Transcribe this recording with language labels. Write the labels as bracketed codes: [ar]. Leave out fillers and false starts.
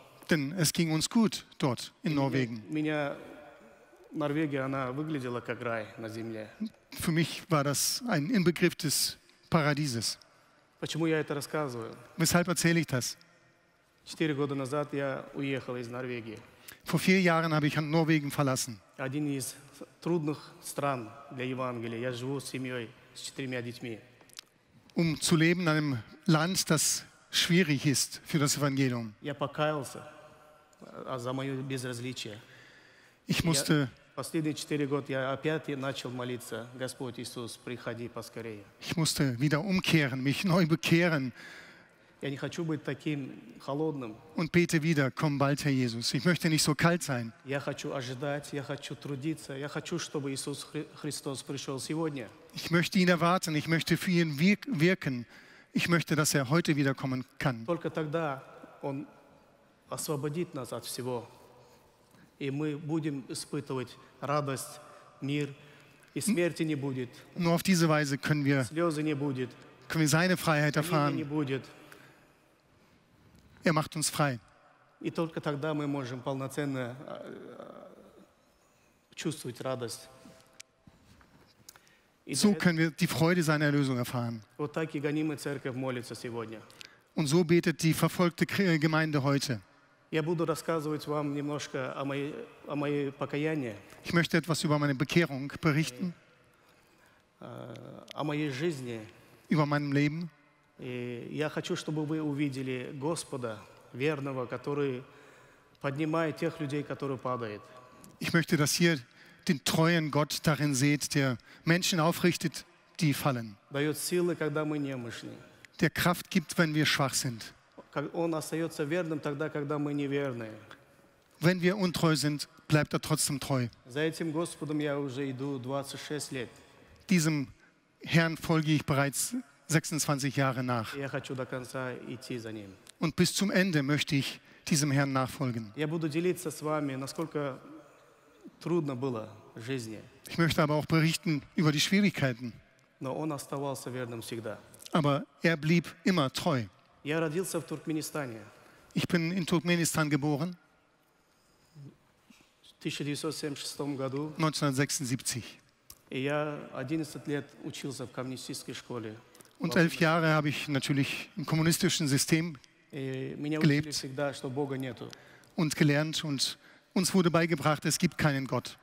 [de] Denn es ging uns gut dort in Norwegen. [ru] Norwegia, она выглядела как рай на земле. [de] Für mich war das ein Inbegriff des Paradieses. [ru] Почему я это рассказываю? [de] Weshalb erzähle ich das? [ru] 4 года назад я уехал из Норвегии. [de] Vor 4 Jahren habe ich Norwegen verlassen. [ru] Один из трудных стран для Евангелия. Я живу с семьей, с 4 детьми. [de] Um zu leben in einem Land, das schwierig ist für das Evangelium. [ru] Я покаялся за мое безразличие. [de] Ich musste [ru] последние 4 года я опять начал молиться: Господь Иисус, приходи поскорее. [de] Ich musste wieder umkehren, mich neu bekehren. [ru] Я не хочу быть таким холодным. [de] Und bete wieder, komm bald, Herr Jesus. Ich möchte nicht so kalt sein. [ru] Я хочу ожидать, я хочу трудиться, я хочу, чтобы Иисус Христос пришел сегодня. [de] Ich möchte ihn erwarten, ich möchte für ihn wirken. Ich möchte, dass er heute wiederkommen kann. [ru] Только тогда он освободит нас от всего. И мы будем испытывать радость, мир, и смерти не будет. [de] Nur auf diese Weise können wir [ru] слезы не будет. [de] Können wir seine Freiheit erfahren. [ru] Не будет. [de] Er macht uns frei. [ru] И только тогда мы можем полноценно чувствовать радость. [de] So können wir die Freude seiner Erlösung erfahren. [ru] Вот так и гонимая церковь молится сегодня. [de] Und so betet die verfolgte Gemeinde heute. [ru] Я буду рассказывать вам немножко о моей покаянии. [de] Ich möchte etwas über meine Bekehrung berichten. [ru] О моей жизни. [de] Über meinem Leben. [ru] И я хочу, чтобы вы увидели Господа верного, который поднимает тех людей, которые падают. [de] Ich möchte, dass ihr den treuen Gott darin seht, der Menschen aufrichtet, die fallen. [ru] Дает силы, когда мы немощны. [de] Der Kraft gibt, wenn wir schwach sind. [ru] Он остается верным тогда, когда мы неверны. [de] Wenn wir untreu sind, bleibt trotzdem treu. [ru] За этим Господом я уже иду 26 лет. [de] Diesem Herrn folge ich bereits 26 Jahre nach. [ru] Я хочу до конца идти за ним. [de] Und bis zum Ende möchte ich diesem Herrn nachfolgen. [ru] Я буду делиться с вами, насколько трудно было в жизни. [de] Ich möchte aber auch berichten über die Schwierigkeiten. [ru] Но он оставался верным всегда. [de] Aber er blieb immer treu. [ru] Я родился в Туркменистане. [de] Ich bin in Turkmenistan geboren. [ru] В 1976 году. [de] 1976. [ru] И я 11 лет учился в коммунистической школе. [de] Und 11 Jahre habe ich natürlich im kommunistischen System gelebt. [ru] Всегда, что Бога нету. [de] Und gelernt und uns wurde beigebracht, es gibt keinen Gott.